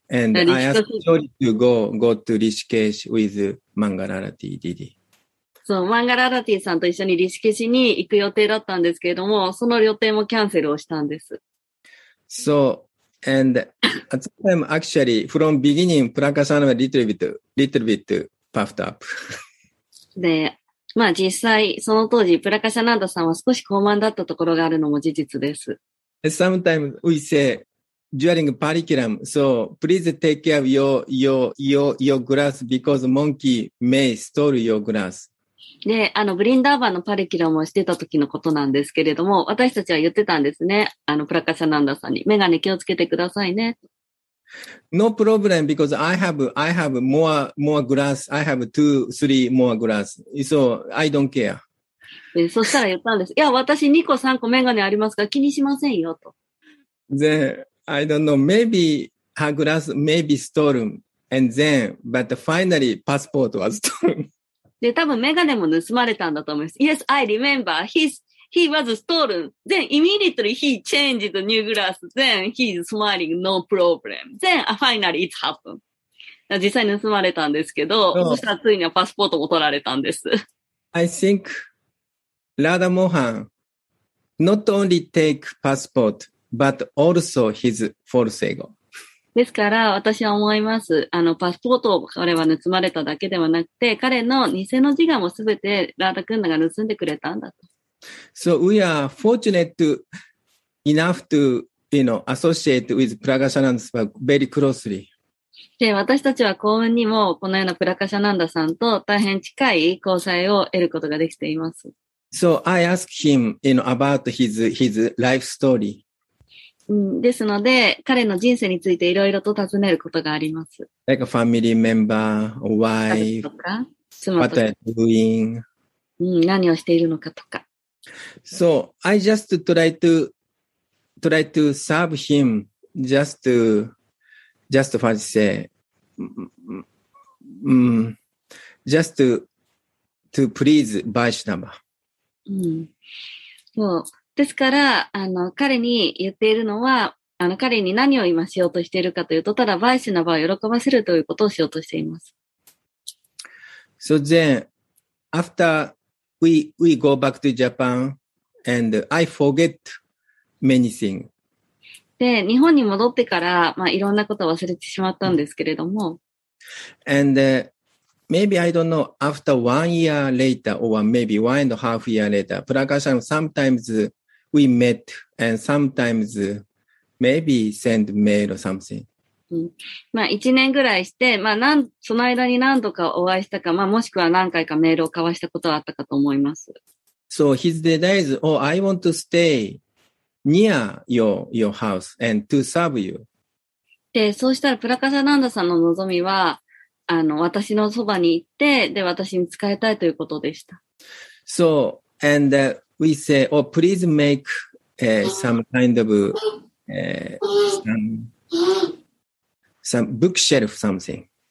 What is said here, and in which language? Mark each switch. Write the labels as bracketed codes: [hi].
[en] And I asked Jory to go to Rishikesh with Mangararati Didi. [ja] そう、Mangararati さんと一緒にRishikeshに行く予定だったんですけれども、その予定もキャンセルをしたんです。 [en] So,and at the time, actually, from beginning, Prakasana was little bit,Puffed up. [ja] で、まあ実際、その当時、プラカシャナンダさんは少し高慢だったところがあるのも事実です。 [en] Sometimes we say, during parikiram, so please take care of your glass because monkey may steal your glass. [ja] で、ブリンダーバーのパリキラムをしてた時のことなんですけれども、私たちは言ってたんですね。プラカシャナンダさんに、メガネ気をつけてくださいね。 [en] No problem because I have more glass. I have two, three more glass. So I don't care. [ja] そしたら言ったんです。いや、私2個3個メガネありますから気にしませんよと。 [en] Then I don't know. Maybe her glass may be stolen. And then, but finally passport was stolen. [ja] で、多分メガネも盗まれたんだと思います。 [en] Yes, I remember. He was stolen. Then immediately he changed the new glass. Then he's smiling, no problem. Then finally it happened. [ja] 実際盗まれたんですけど、そしたらついにはパスポートも取られたんです。 [en] I think Radha Mohan not only take passport, but also his false ego. [ja] ですから私は思います。パスポートを彼は盗まれただけではなくて、彼の偽の自我もすべてRadha Kunda が盗んでくれたんだと。 [en] So we are fortunate enough to, you know, associate with Prakashananda very closely. [ja] で、私たちは幸運にもこのようなプラカシャナンダさんと大変近い交際を得ることができています。 [en] So I ask him, you know, about his life story. [ja] ですので、彼の人生についていろいろと尋ねることがあります。 [en] Like a family member, or wife, what are you doing? [ja] 何をしているのかとか。 [en] So I just try to serve him just for to say just to please Vaishnava. [ja] そうですから彼に言っているのは彼に何を今しようとしているかというとただバイシナバを喜ばせるということをしようとしています。 [en] So then after we go back to Japan. And I forget many things. [ja] で、日本に戻ってから、まあ、いろんなことを忘れてしまったんですけれども。 [en] And maybe I don't know, after 1 year later, or maybe 1.5 years later, Prakashan sometimes we met, and sometimes maybe send mail or something. [ja] まあ、1年ぐらいして、まあ、その間に何度かお会いしたか、まあ、もしくは何回かメールを交わしたことはあったかと思います。 [en] So his desire is, oh, I want to stay near your house and to serve you. [ja] で、そうしたらプラカシャナンダさんの望みは、私のそばに行って、で、私に仕えたいということでした。 [en] So, and we say, oh, please make some kind of some bookshelf something.